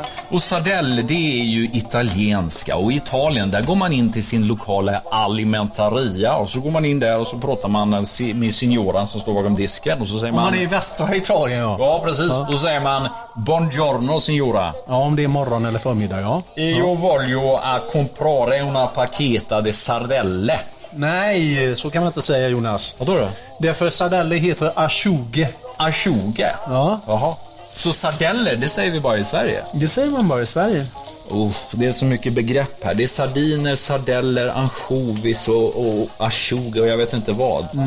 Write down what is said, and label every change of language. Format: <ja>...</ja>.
<sv>Och sardell, det är ju italienska. Och i Italien, där går man in till sin lokala alimentaria. Och så går man in där och så pratar man med signoran som står bakom disken. Och så säger man är i västra Italien, ja. Ja, precis, ja. Då säger man</sv> <it>buongiorno signora.</it> <sv>Ja, om det är morgon eller förmiddag, ja.</sv> <it>Io voglio a comprare una paqueta de sardelle.</it> <sv>Nej, så kan man inte säga, Jonas. Vadå då? Därför sardelle heter ashuge. Ashuge? Ja. Jaha. Så sardeller, det säger vi bara i Sverige? Det säger man bara i Sverige. Det är så mycket begrepp här. Det är sardiner, sardeller, anchovis och ashuge och jag vet inte vad.</sv>